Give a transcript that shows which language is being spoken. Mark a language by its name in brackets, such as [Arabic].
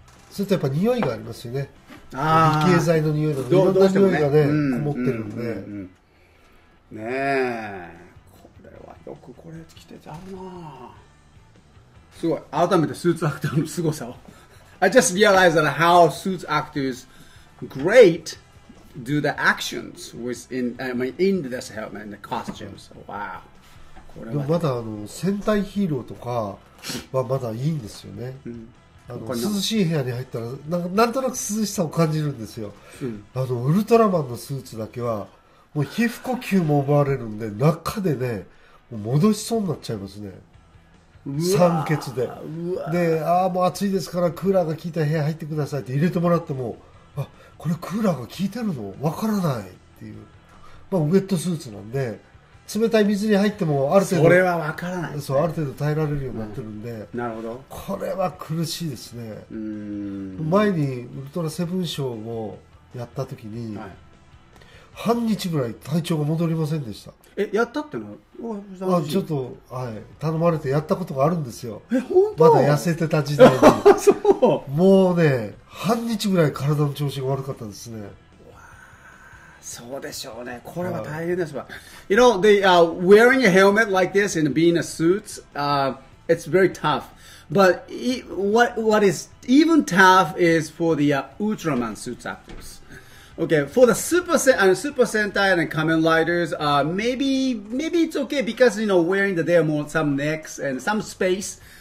[Japanese] それとやっぱ匂いがありますよね。あ、理系剤の匂いだと、いろんな匂いがね、こもってるんで。ねえ、これはよくこれ着てたなぁ。すごい、改めてスーツアクターの凄さを。 [English] I just realized that how suit actors great do the actions within, I mean, in this helmet and the costumes. Wow. [Japanese] これはまだあの戦隊ヒーローとかはまだいいんですよね。うん、涼しい部屋に入ったら なんとなく涼しさを感じるんですよ、うん、あのウルトラマンのスーツだけはもう皮膚呼吸も奪われるんで中でねもう戻しそうになっちゃいますね、酸欠で。で、ああもう暑いですからクーラーが効いた部屋入ってくださいって入れてもらっても、あこれクーラーが効いてるのわからないっていう、まあ、ウェットスーツなんで冷たい水に入ってもある程度それはわからない、ね、そうある程度耐えられるようになってるんで、うん、なるほど、これは苦しいですね。うーん、前にウルトラセブンショーをやった時に、はい、半日ぐらい体調が戻りませんでした。え、やったってのは、まあ、ちょっと、はい、頼まれてやったことがあるんですよ。え、本当？まだ痩せてた時代に。そう、もうね半日ぐらい体の調子が悪かったですね。そうでしょうね。これは大変ですわ。 [English] You know, the, wearing a helmet like this and being a suit, it's very tough. But what is even tough is for the Ultraman suits actors. Okay, for the Super Sentai and Kamen Riders, maybe it's okay because, you know, wearing the, there are some necks and some space.